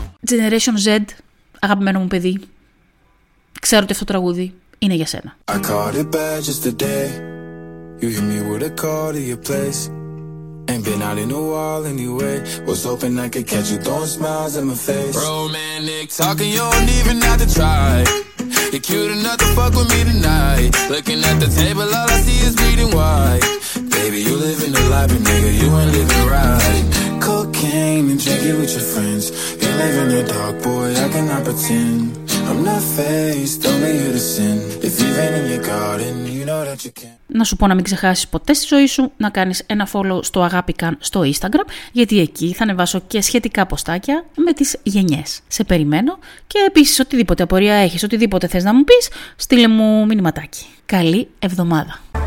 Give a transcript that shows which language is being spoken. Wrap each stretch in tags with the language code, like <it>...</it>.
<el>Generation Z, αγαπημένο μου παιδί, ξέρω ότι αυτό το τραγούδι είναι για σένα.</el> <en>I caught it bad just today. You hit me with a call to your place. Ain't been out in a while anyway. Was hoping I could catch you throwing smiles at my face. Romantic talking, you don't even have to try. You're cute enough to fuck with me tonight. Looking at the table, all I see is bleeding white. Baby, you live in the life, but nigga, you ain't living right. Cocaine and drinking with your friends. You live in the dark, boy, I cannot pretend. I'm not faced, only you to sin. If you've been in your garden, you know that you can.</en> <el>Να σου πω να μην ξεχάσεις ποτέ στη ζωή σου να κάνεις ένα follow στο Αγάπη Καν στο Instagram, γιατί εκεί θα ανεβάσω και σχετικά ποστάκια με τις γενιές. Σε περιμένω και επίσης οτιδήποτε απορία έχεις, οτιδήποτε θες να μου πεις, στείλε μου μηνυματάκι. Καλή εβδομάδα.</el>